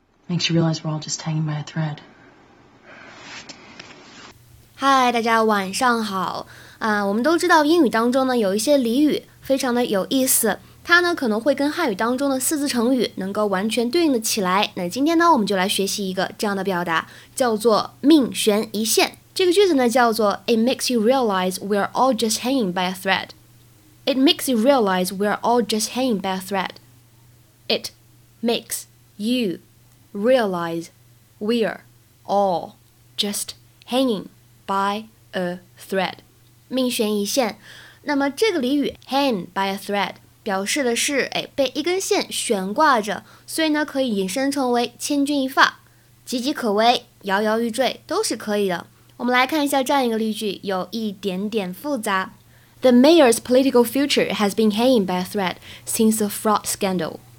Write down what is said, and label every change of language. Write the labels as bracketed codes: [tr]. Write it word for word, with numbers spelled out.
[en] Makes you realize we're all just hanging by a thread. [zh] 嗨，大家晚上好啊、呃！我们都知道英语当中呢有一些俚语非常的有意思，它呢可能会跟汉语当中的四字成语能够完全对应的起来。那今天呢我们就来学习一个这样的表达，叫做命悬一线。这个句子呢叫做 [en] It makes you realize we're all just hanging by a thread. It makes you realize we're all just hanging by a thread. It makes you realize we're all just hanging by a thread， [zh] 命悬一线。那么这个俚语 [en] hang by a thread [zh] 表示的是、哎、被一根线悬挂着，所以呢可以引申成为千钧一发、岌岌可危、摇摇欲坠都是可以的。我们来看一下这样一个例句，有一点点复杂。 [en] The mayor's political future has been hanging by a thread since the fraud scandal。